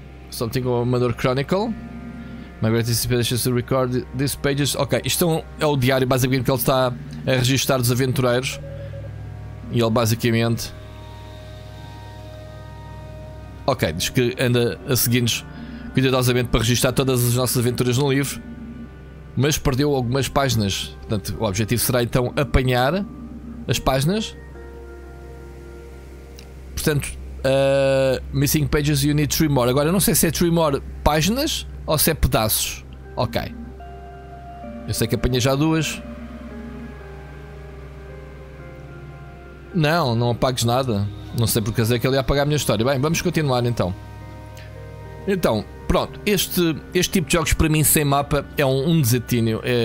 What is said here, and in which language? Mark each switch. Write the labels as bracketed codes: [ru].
[en] something of another Chronicle. My greatest expectation is to record these pages. Ok. [pt] Isto é o diário, basicamente, que ele está a registar dos aventureiros. E ele, basicamente... Ok. Diz que anda a seguir-nos cuidadosamente para registrar todas as nossas aventuras no livro, mas perdeu algumas páginas. Portanto, o objetivo será então apanhar as páginas. Portanto, [en] missing pages, you need 3 more. [pt] Agora, eu não sei se é [en] 3 more [pt] páginas ou se é pedaços. Ok, eu sei que apanha já duas. Não, não apagues nada. Não sei porque dizer que ele ia apagar a minha história. Bem, vamos continuar então. Então, pronto, este tipo de jogos para mim sem mapa é um desatino.